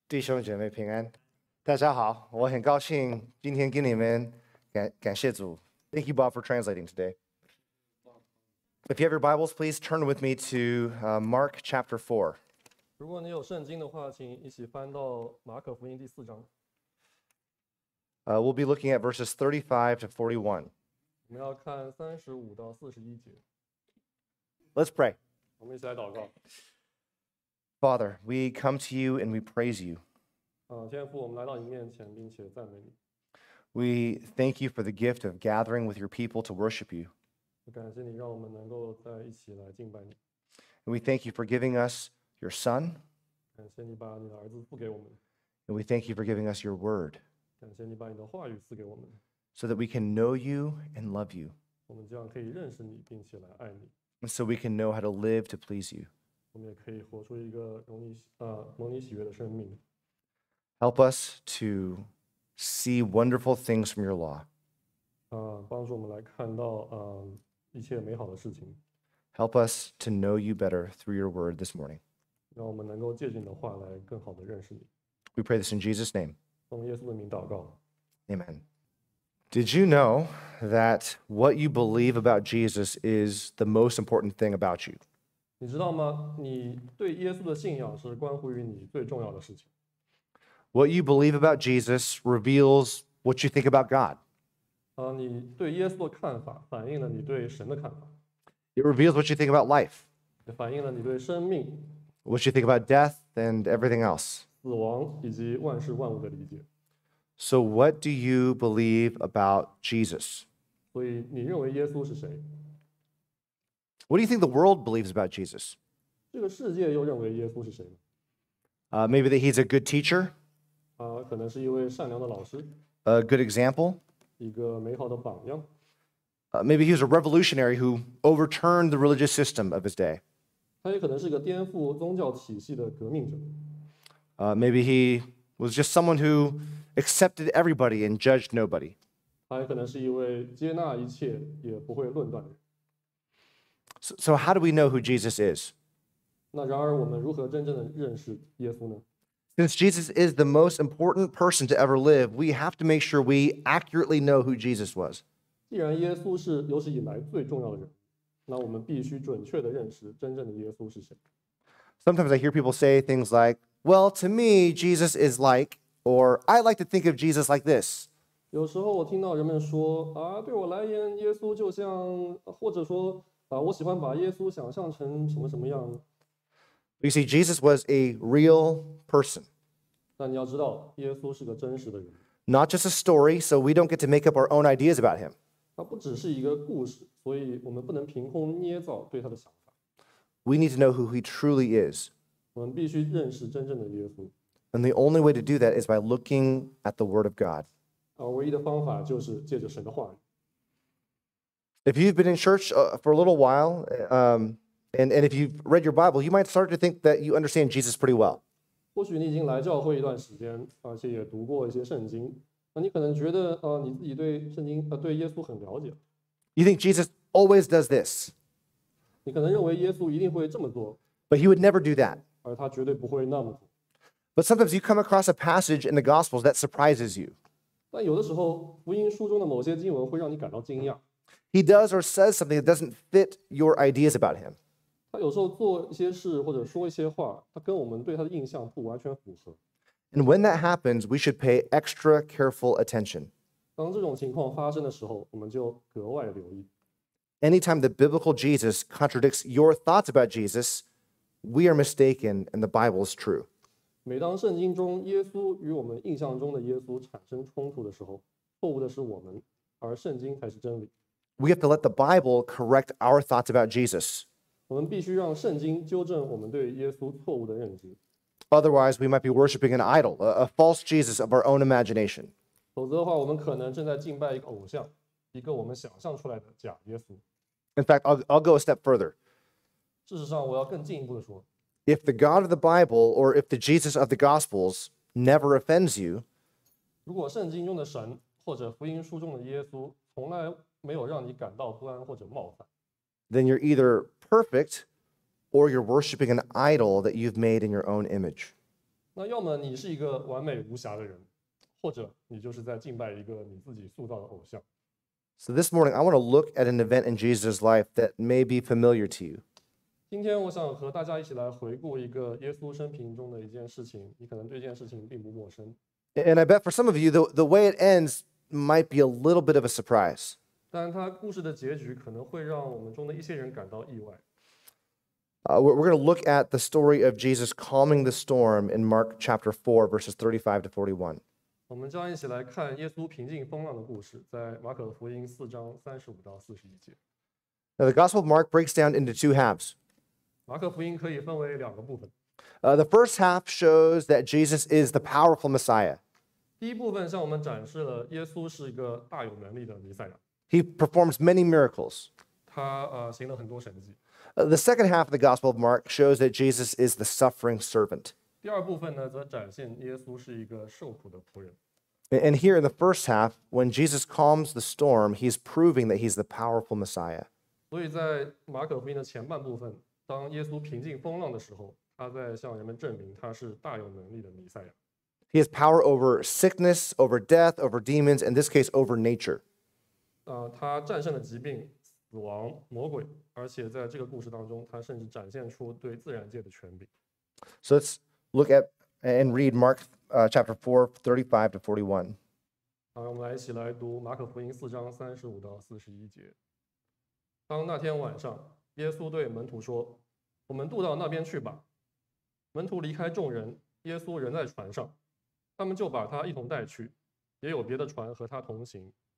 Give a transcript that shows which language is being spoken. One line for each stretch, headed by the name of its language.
Chinese: 弟兄姐妹平安，大家好，我很高兴今天跟你们感谢主。
English: Thank you, Bob, for translating today. If you have your Bibles, please turn with me to Mark chapter 4.
Chinese: 如果你有圣经的话，请一起翻到马可福音第四章。
English: We'll be looking at verses 35 to 41.
Chinese: 我们要看35到41节。
English: Let's pray.
Chinese: 我们一起来祷告。
English: Father, we come to you and we praise you.
Chinese: 天父，我们来到你面前，并且赞美你。
English: We thank you for the gift of gathering with your people to worship you.
Chinese: 感谢你让我们能够在一起来敬拜你。
English: And we thank you for giving us your Son.
Chinese: 感谢你把你的儿子赐给我们。
English: And we thank you for giving us your Word.
Chinese: 感谢你把你的话语赐给我们。
English: So that we can know you and love you.
Chinese: 我们这样可以认识你，并且来爱你。
English: And so we can know how to live to please you.
Chinese: 我们也可以活出一个蒙你喜悦的生命。
English: Help us to see wonderful things from your law.
Chinese: 帮助我们来看到一切美好的事情。
English: Help us to know you better through your word this morning.
Chinese: 让我们能够借着你的话来更好的认识你。
English: We pray this in Jesus' name.
Chinese: 奉耶稣的名祷告。
English: Amen. Did you know that what you believe about Jesus is the most important thing about you?
Chinese: 你知道吗？你对耶稣的信仰是关乎于你最重要的事情。
English: What you believe about Jesus reveals what you think about God.
Chinese: 你对耶稣的看法反映了你对神的看法。
English: It reveals what you think about life.
Chinese: 反映了你对生命。
English: What you think about death and everything else.
Chinese: 死亡以及万事万物的理解。
English: So what do you believe about Jesus?
Chinese: 所以你认为耶稣是谁？
English: What do you think the world believes about Jesus?
Chinese: 这个世界又认为耶稣是谁呢?
English: Maybe that he's a good teacher.
Chinese: 可能是一位善良的老师。
English: A good example.
Chinese: 一个美好的榜样。
English: Maybe he was a revolutionary who overturned the religious system of his day.
Chinese: 他也可能是个颠覆宗教体系的革命者。
English: Maybe he was just someone who accepted everybody and judged nobody.
Chinese: 他也可能是一位接纳一切也不会论断的人。
English: So how do we know who Jesus is?
Chinese: 那然而我们如何真正的认识耶稣呢?
English: Since Jesus is the most important person to ever live, we have to make sure we accurately know who Jesus was.
Chinese: 既然耶稣是有史以来最重要的人，那我们必须准确地认识真正的耶稣是谁。
English: Sometimes I hear people say things like, well, to me, Jesus is like, or I like to think of Jesus like this.
Chinese: 有时候我听到人们说，对我来言，耶稣就像，或者说我喜欢把耶稣想象成什么什么样。
English: You see, Jesus was a real person.
Chinese: 但你要知道，耶稣是个真实的人。
English: Not just a story, so we don't get to make up our own ideas about him.
Chinese: 他不只是一个故事，所以我们不能凭空捏造对他的想法。
English: We need to know who he truly is.
Chinese: 我们必须认识真正的耶稣。
English: And the only way to do that is by looking at the Word of God.
Chinese: 唯一的方法就是借着神的话语。
English: If you've been in church for a little while, and if you've read your Bible, you might start to think that you understand Jesus pretty well.
Chinese: 或许你已经来教会一段时间，而且也读过一些圣经，你可能觉得你自己对圣经对耶稣很了解。
English: You think Jesus always does this.
Chinese: 你可能认为耶稣一定会这么做。
English: But he would never do that.
Chinese: 而他绝对不会那么做。
English: But sometimes you come across a passage in the Gospels that surprises you.
Chinese: 但有的时候，福音书中的某些经文会让你感到惊讶。
English: He does or says something that doesn't fit your ideas about him.
Chinese: 他有时候做一些事或者说一些话，他跟我们对他的印象不完全符合。
English: And when that happens, we should pay extra careful attention.
Chinese: 当这种情况发生的时候，我们就格外留意。
English: Anytime the biblical Jesus contradicts your thoughts about Jesus, we are mistaken and the Bible is true.
Chinese: 每当圣经中耶稣与我们印象中的耶稣产生冲突的时候，错误的是我们，而圣经才是真理。
English: We have to let the Bible correct our thoughts about Jesus.
Chinese: 我们必须让圣经纠正我们对耶稣错误的认知。
English: Otherwise, we might be worshiping an idol, a false Jesus of our own imagination.
Chinese: 否则的话，我们可能正在敬拜一个偶像，一个我们想象出来的假耶稣。
English: In fact, I'll go a step further.
Chinese: 事实上，我要更进一步的说。
English: If the God of the Bible or if the Jesus of the Gospels never offends you,
Chinese: 如果圣经中的神或者福音书中的耶稣从来没有让你感到不安或者冒犯。
English: Then you're either perfect or you're worshiping an idol that you've made in your own image.
Chinese: 那要么你是一个完美无瑕的人，或者你就是在敬拜一个你自己塑造的偶像。
English: So this morning, I want to look at an event in Jesus' life that may be familiar to you.
Chinese: 今天我想和大家一起来回顾一个耶稣生平中的一件事情，你可能对这件事情并不陌生。
English: And I bet for some of you, the way it ends might be a little bit of a surprise.
Chinese: 但他故事的结局可能会让我们中的一些人感到意外。
English: We're going to look at the story of Jesus calming the storm in Mark chapter 4, verses 35 to 41.
Chinese: 我们将一起来看耶稣平静风浪的故事，在马可福音四章三十五到四十一节。
English: Now, the Gospel of Mark breaks down into two halves.
Chinese: 马可福音可以分为两个部分。
English: The first half shows that Jesus is the powerful Messiah.
Chinese: 第一部分向我们展示了耶稣是一个大有能力的弥赛亚。
English: He performs many miracles.
Chinese: 他行了很多神迹。
English: The second half of the Gospel of Mark shows that Jesus is the suffering servant.
Chinese: 第二部分呢，则展现耶稣是一个受苦的仆人。
English: And here in the first half, when Jesus calms the storm, he's proving that he's the powerful Messiah.
Chinese: 所以在马可福音的前半部分，当耶稣平静风浪的时候，他在向人们证明他是大有能力的弥赛亚。
English: He has power over sickness, over death, over demons, in this case, over nature.
Chinese: 他战胜了疾病、死亡、魔鬼，而且在这个故事当中，他甚至展现出对自然界的权柄。
English: So it's... Look at and read Mark chapter 4, 35 to 41.
Chinese: 好，我们来一起来读马可福音四章三十五到四十一节。当那天晚上，耶稣对门徒说：“我们渡到那边去吧。” 门徒离开众人，耶稣仍在船上，他们就把他一同带去，也有别的船和他同行。